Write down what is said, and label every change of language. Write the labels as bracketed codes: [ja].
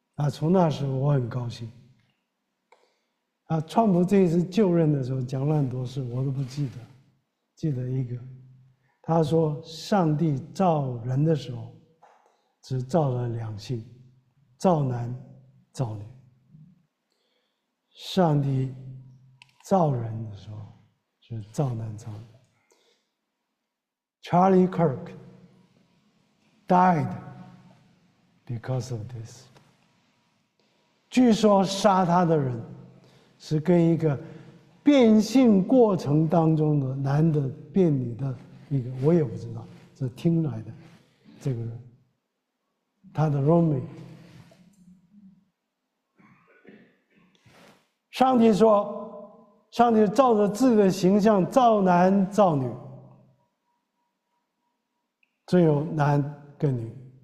[zh] 从那时候我很高兴。川普这一次就任的时候讲了很多事，我都不记得，记得一个，他说上帝造人的时候，只造了两性，造男造女。上帝造人的时候，是造男造女。 [en] Charlie Kirk died because of this。 [zh] 据说杀他的人，是跟一个变性过程当中的男的变女的一个，我也不知道，是听来的。这个人，他的 roommate，上帝说，上帝照着自己的形象造男造女，只有男跟女。